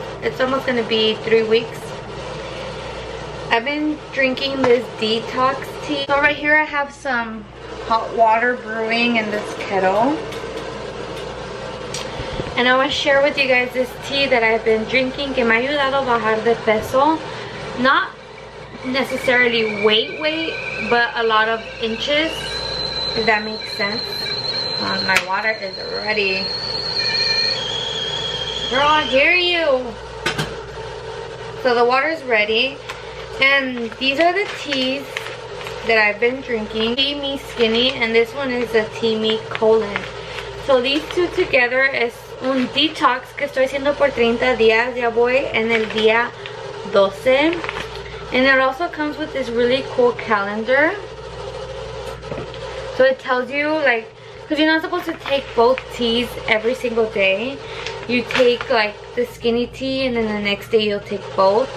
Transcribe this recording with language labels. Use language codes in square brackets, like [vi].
[en] It's almost gonna be 3 weeks. I've been drinking this detox tea. So right here I have some hot water brewing in this kettle. And I wanna share with you guys this tea that I've been drinking. [es] Que me ha ayudado a bajar de peso. [en] Not necessarily weight, but a lot of inches. If that makes sense. My water is ready. Girl, I hear you. So the water's ready. And these are the teas that I've been drinking. Tea Me Skinny, and this one is a Tea Me Colon. So these two together is [es] un detox que estoy haciendo por 30 días. Ya voy en el día 12. [en] And it also comes with this really cool calendar. So it tells you, like, because you're not supposed to take both teas every single day. You take like the skinny tea and then the next day you'll take both.